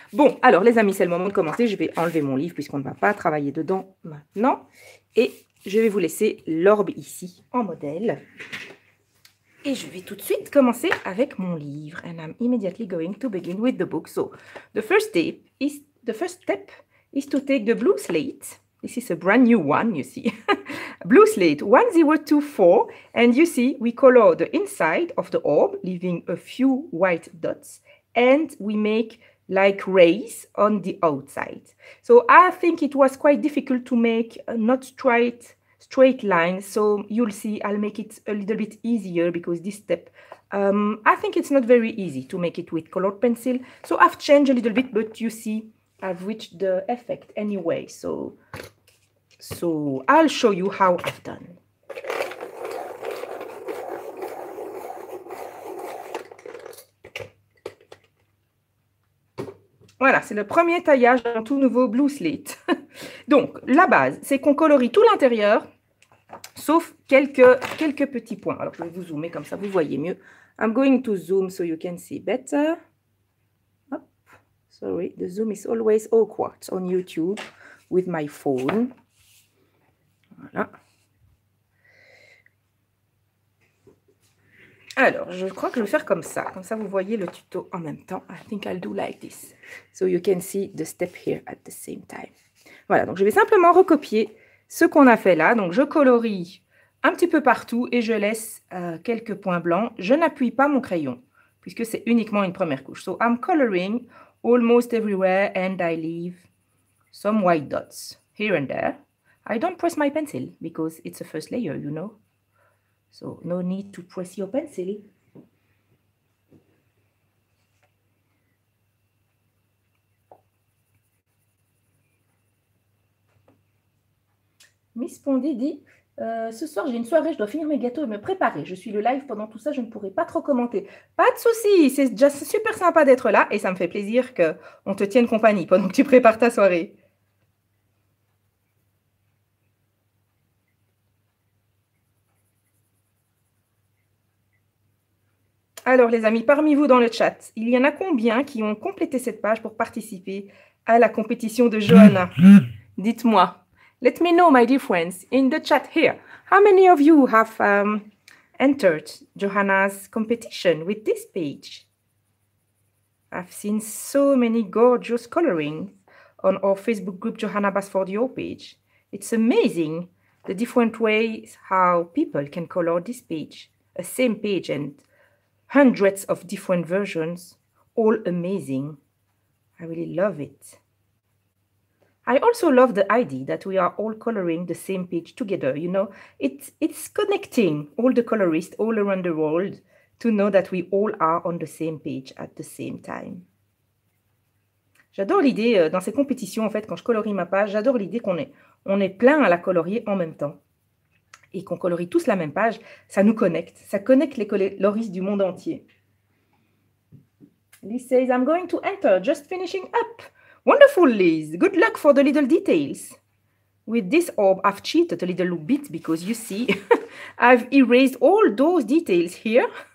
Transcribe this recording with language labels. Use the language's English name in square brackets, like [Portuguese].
[French] Bon, alors, les amis, c'est le moment de commencer. Je vais enlever mon livre puisqu'on ne va pas travailler dedans maintenant. Et je vais vous laisser l'orbe ici en modèle. Et je vais tout de suite commencer avec mon livre. [English] And I'm immediately going to begin with the book. So, the first step is to take the blue slate. This is a brand new one, you see. Blue slate, 1024. And you see, we color the inside of the orb, leaving a few white dots. And we make like rays on the outside. So I think it was quite difficult to make not straight, straight line, so you'll see I'll make it a little bit easier because this step, I think it's not very easy to make it with colored pencil. So I've changed a little bit, but you see I've reached the effect anyway. So I'll show you how I've done. [French] Voilà, c'est le premier taillage d'un tout nouveau blue slit. Donc, la base, c'est qu'on colorie tout l'intérieur, sauf quelques petits points. Alors, je vais vous zoomer comme ça, vous voyez mieux. [English] I'm going to zoom so you can see better. Oh, sorry, the zoom is always awkward on YouTube with my phone. [French] Voilà. Alors, je crois que je vais faire comme ça vous voyez le tuto en même temps. [English] I think I'll do like this, so you can see the step here at the same time. [French] Voilà, donc je vais simplement recopier ce qu'on a fait là. Donc, je colorie un petit peu partout et je laisse quelques points blancs. Je n'appuie pas mon crayon, puisque c'est uniquement une première couche. [English] So, I'm coloring almost everywhere and I leave some white dots here and there. I don't press my pencil, because it's a first layer, you know. So, no need to press your pencil. [French] Miss Pondy dit, ce soir j'ai une soirée, je dois finir mes gâteaux et me préparer. Je suis le live pendant tout ça, je ne pourrai pas trop commenter. Pas de souci, c'est déjà super sympa d'être là et ça me fait plaisir qu'on te tienne compagnie pendant que tu prépares ta soirée. Alors les amis, parmi vous dans le chat, il y en a combien qui ont complété cette page pour participer à la compétition de Johanna? Dites-moi. [English] Let me know, my dear friends, in the chat here. How many of you have entered Johanna's competition with this page? I've seen so many gorgeous coloring on our Facebook group, Johanna Basford, your page. It's amazing the different ways how people can color this page, a same page and hundreds of different versions, all amazing. I really love it. I also love the idea that we are all coloring the same page together. You know, it's connecting all the colorists all around the world to know that we all are on the same page at the same time. [French] J'adore l'idée dans ces compétitions, en fait, quand je colorie ma page, j'adore l'idée qu'on est plein à la colorier en même temps. Et qu'on colorie tous la même page, ça nous connecte. Ça connecte les coloristes du monde entier. [English] Liz says, I'm going to enter, just finishing up. Wonderful, Liz. Good luck for the little details. With this orb, I've cheated a little bit because you see, I've erased all those details here.